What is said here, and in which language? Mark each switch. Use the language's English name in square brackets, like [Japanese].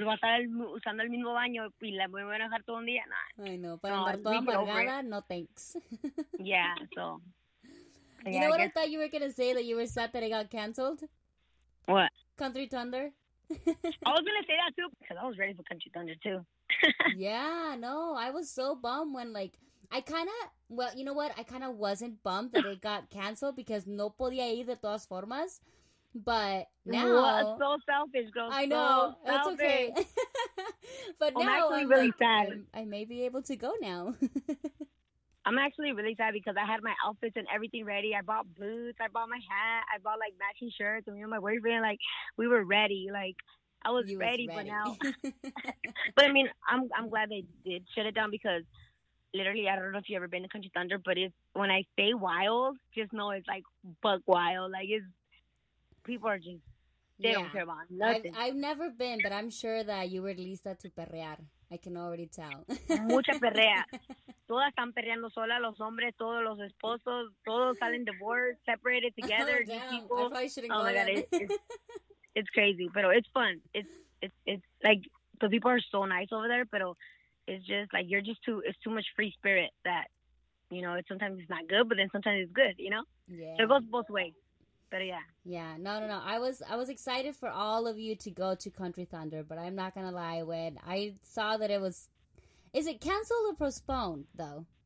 [Spanish] va a estar usando el mismo baño y la voy a enojar todo un día. [English] Nah. [Spanish] Ay, no. Para andar toda amargada, [English] no thanks. Yeah, so. I thought you were going to say that you were sad that it got canceled? What? Country Thunder. I was going to say that too because I was ready for Country Thunder too. Yeah, no. I was so bummed when, like, I kind of, well, you know what? I kind of wasn't bummed that it got canceled because [Spanish] no podía ir de todas formas. [English] But now, so selfish, girl. I know, so it's okay. But I'm now, actually I'm really, like, sad. I may be able to go now. I'm actually really sad because I had my outfits and everything ready. I bought boots, I bought my hat, I bought like matching shirts, and me and my boyfriend, like, we were ready. Like, I was ready, but now, but I mean, I'm glad they did shut it down because literally, I don't know if you've ever been to Country Thunder, but it's when I stay wild, just know it's like buck wild. Like, it's people are just, they don't care about nothing. I've never been, but I'm sure that you were [Spanish] lista [English] to perrear. I can already tell. [Spanish] Mucha perrea. Todas están perreando sola, los hombres, todos los esposos, todos salen [English] divorced, separated together. Oh, damn. People. I probably shouldn't go my God. It's crazy, but it's fun. It's like, the people are so nice over there, but it's just like, you're just too, it's too much free spirit that, you know, sometimes it's not good, but then sometimes it's good, you know? Yeah. It goes both ways. But yeah. Yeah. No. I was excited for all of you to go to Country Thunder, but I'm not gonna lie, when I saw that it was, is it canceled or postponed though?